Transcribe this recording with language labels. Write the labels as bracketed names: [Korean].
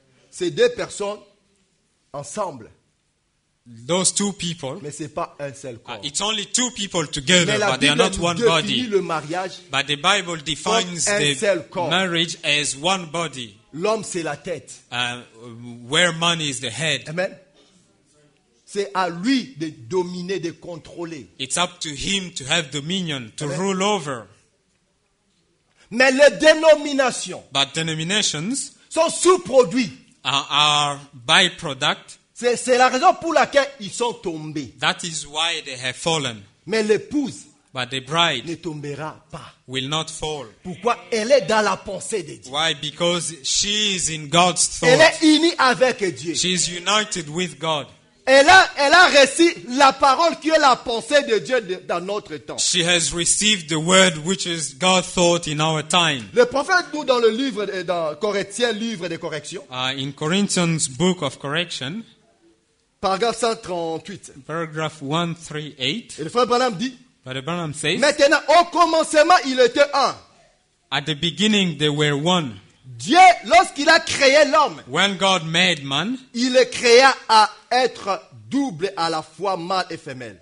[French] C'est deux personnes ensemble. [English] Those two people, [French] mais c'est pas un seul corps. [English] It's only two people together, but they are not one body. But the Bible defines the marriage as one body. [French] L'homme c'est la tête. [English] Where man is the head. Amen. [French] C'est à lui de dominer, de contrôler. [English] It's up to him to have dominion, to Amen. Rule over. [French] Mais les dénominations, [English] but denominations, [French] sont sous-produits. [English] Are byproduct. [French] C'est la raison pour laquelle ils sont tombés. [English] That is why they have fallen. [French] Mais l'épouse, [English] but the bride, [French] ne tombera pas. [English] Will not fall. [French] Pourquoi? Elle est dans la pensée de Dieu. [English] Why? Because she is in God's thought. [French] Elle est unie avec Dieu. [English] She is united with God. [French] Elle a reçu la parole qui est la pensée de Dieu dans notre temps. [English] She has received the word which is God's thought in our time. [French] Le prophète nous dans le livre dans Corinthiens livre de correction. [English] In Corinthians book of correction. Paragraph 138. Paragraph 138. [French] Et le frère Branham dit. [English] Brother Branham says. [French] Maintenant, au commencement, il était un. [English] At the beginning, they were one. [French] Dieu, lorsqu'il a créé l'homme. [English] When God made man. [French] Il le créa à être double à la fois mâle et femelle.